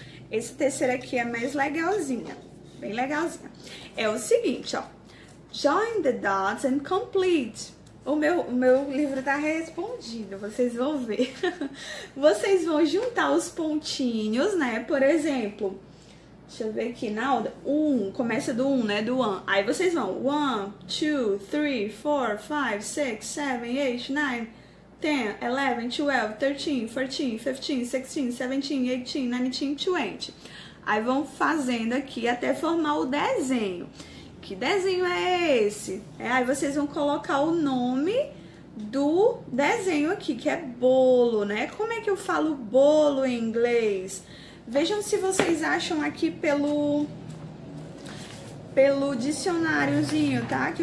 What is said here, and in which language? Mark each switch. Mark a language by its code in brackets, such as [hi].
[pt] Esse terceiro aqui é mais legalzinha. Bem legalzinha. É o seguinte, ó. [en] Join the dots and complete. [pt] O meu livro tá respondido, vocês vão ver. Vocês vão juntar os pontinhos, né? Por exemplo, deixa eu ver aqui na ordem. Um, começa do um, né? Do one. Aí vocês vão. [en] One, two, three, four, five, six, seven, eight, nine, ten, 11, 12, 13, 14, 15, 16, 17, 18, 19, 20. [pt] Aí vão fazendo aqui até formar o desenho. Que desenho é esse? Aí vocês vão colocar o nome do desenho aqui, que é bolo, né? Como é que eu falo bolo em inglês? Vejam se vocês acham aqui pelo dicionáriozinho, tá?